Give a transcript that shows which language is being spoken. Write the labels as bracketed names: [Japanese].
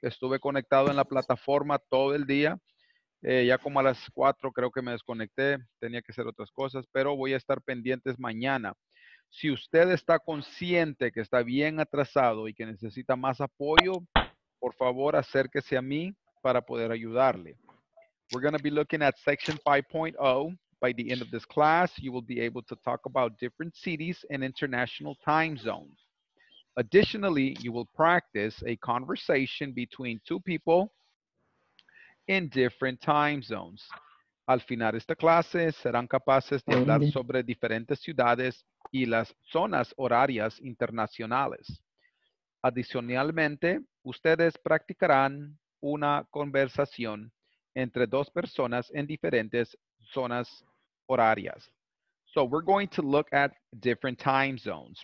[Spanish] Estuve conectado en la plataforma todo el día. Ya como a las 4 creo que me desconecté. Tenía que hacer otras cosas, pero voy a estar pendientes mañana. Si usted está consciente que está bien atrasado y que necesita más apoyo, por favor, acérquese a mí para poder ayudarle. [English] We're going to be looking at section 5.0. By the end of this class, you will be able to talk about different cities and international time zones. Additionally, you will practice a conversation between two people in different time zones. [Spanish] Al final esta clase, serán capaces de hablar sobre diferentes ciudades y las zonas horarias internacionales. Adicionalmente, ustedes practicarán una conversación entre dos personas en diferentes zonas horarias. [English] So we're going to look at different time zones.